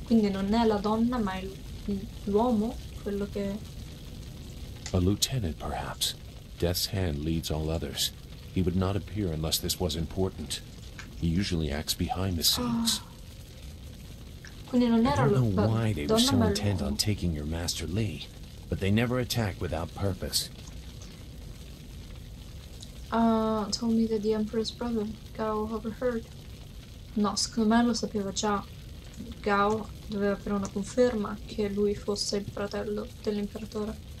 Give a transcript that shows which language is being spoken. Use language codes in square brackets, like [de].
[it] Quindi non è la donna, ma è l'uomo, quello che. [en] A lieutenant, perhaps. Death's Hand leads all others. He would not appear unless this was important. He usually acts behind the scenes. [it] Quindi non era [en] I don't know why they were so intent on taking your Master Lee, but they never attack without purpose. Told me that the Emperor's brother, Gao, overheard. [it] No, secondo me lo sapeva già. Gao doveva avere una conferma che lui fosse il fratello dell'imperatore.